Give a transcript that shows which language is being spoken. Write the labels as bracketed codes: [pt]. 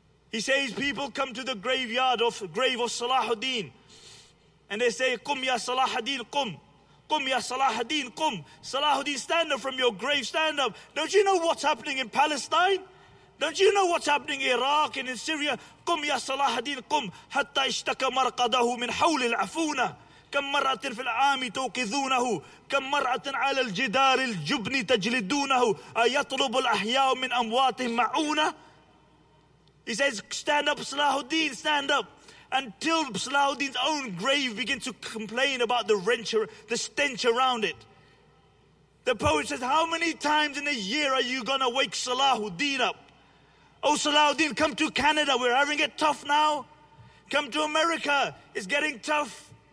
[en] He says, people come to the grave of Salahuddin. And they say, [ar] Qum ya Salahuddin, qum. Qum ya Salahuddin, qum. [en] Salahuddin, stand up from your grave, stand up. Don't you know what's happening in Palestine? Don't you know what's happening in Iraq and in Syria? [ar] قم يا صلاح الدين قم حتى اشتكى مرقده من حول العفونة كم مرة في العام توقظونه كم مرة على الجدار الجبن تجلدونه أيطلب الأحياء من أمواتهم معونة. [en] He says, stand up, صلاح الدين, stand up. Until صلاح الدين's own grave begins to complain about the stench around it. The poet says, how many times in a year are you going to wake صلاح الدين up? Oh, Salahuddin, come to Canada. We're having it tough now. Come to America. It's getting tough.